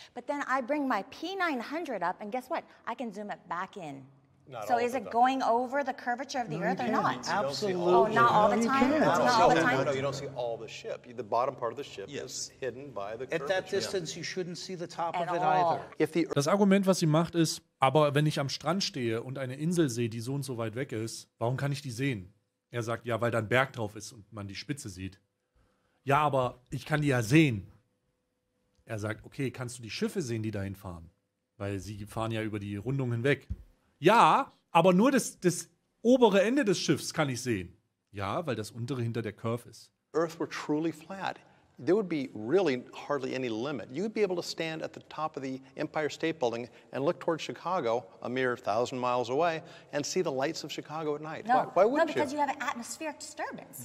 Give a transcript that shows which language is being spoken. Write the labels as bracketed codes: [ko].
[en] But then I bring my P900 up, and guess what? I can zoom it back in. So is it going over the curvature of the Earth or not? Absolutely. Oh, not all the time? No, you don't see all the ship. The bottom part of the ship is hidden by the curvature. At that distance, you shouldn't see the top of it either. [de] Das Argument, was sie macht, ist, aber wenn ich am Strand stehe und eine Insel sehe, die so und so weit weg ist, warum kann ich die sehen? Er sagt, ja, weil da ein Berg drauf ist und man die Spitze sieht. Ja, aber ich kann die ja sehen. Er sagt, okay, kannst du die Schiffe sehen, die dahin fahren? Weil sie fahren ja über die Rundung hinweg. Ja, aber nur das obere Ende des Schiffs kann ich sehen. Ja, weil das untere hinter der Curve ist. [en] Earth were truly flat. There would be really hardly any limit. You would be able to stand at the top of the Empire State Building and look towards Chicago, a mere 1,000 miles away, and see the lights of Chicago at night. No. Why wouldn't you? No, because you have an atmospheric disturbance.